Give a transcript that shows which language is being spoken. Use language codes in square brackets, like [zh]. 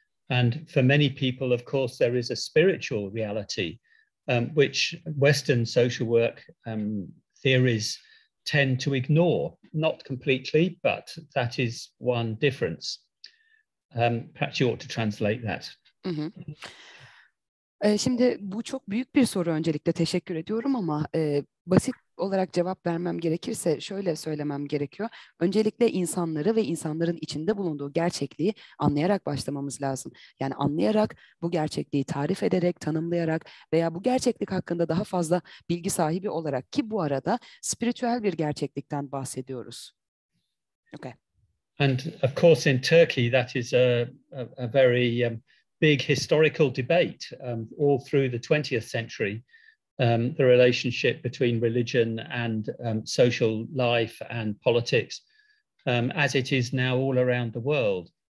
[en] And for many people, of course, there is a spiritual reality, which Western social work theories tend to ignore, not completely, but that is one difference. Perhaps you ought to translate that. Mm-hmm. [tr] Şimdi bu çok büyük bir soru öncelikle teşekkür ediyorum ama basit olarak cevap vermem gerekirse şöyle söylemem gerekiyor. Öncelikle insanları ve insanların içinde bulunduğu gerçekliği anlayarak başlamamız lazım. Yani anlayarak, bu gerçekliği tarif ederek, tanımlayarak veya bu gerçeklik hakkında daha fazla bilgi sahibi olarak, ki bu arada spiritüel bir gerçeklikten bahsediyoruz. [en] Okay. And of course in Turkey that is a very big historical debate all through the 20th century. The relationship between religion and social life and politics, as it is now all around the world.